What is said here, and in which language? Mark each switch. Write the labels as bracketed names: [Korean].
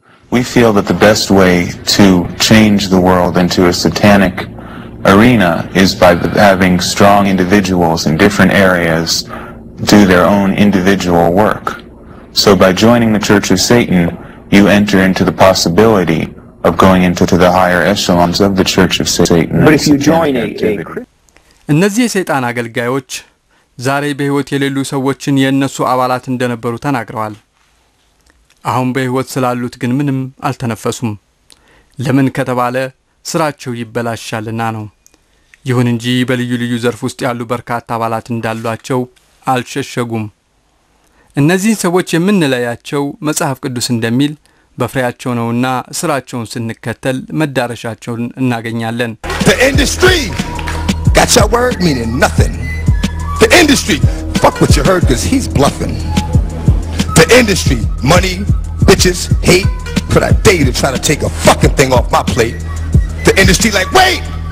[English] We feel that the best way to change the world into a satanic arena is by having strong individuals in different areas do their own individual work. So by joining the Church of Satan, you enter into the possibility of going into the higher echelons of the Church of Satan. But if you join [Amharic] እነዚህ የሰይጣን አገልጋዮች ዛሬ በህይወት የሌሉ ሰዎችን የነሱ አባላት እንደነበሩ ተናግረዋል። አሁን በህይወት ስላሉት ግን ምንም አልተነፈሱም። ለምን ከተባለ ስራቸው ይበላሻልና ነው። ይሁን እንጂ በልዩ ልዩ ዘርፍ ውስጥ ያሉ በርካታ አባላት እንዳሏቸው አልሸሸጉም። እነዚህ ሰዎች የምንለያቸው መጽሐፍ ቅዱስ እንደሚል በፍሬያቸው ነውና ስራቸውን ስንከተል መዳረሻቸውን እናገኛለን። [English] The industry got your word meaning nothing. The industry fuck what you heard cuz he's bluffing. The industry money bitches hate for that day to try to take a fucking thing off my plate. The industry like, wait!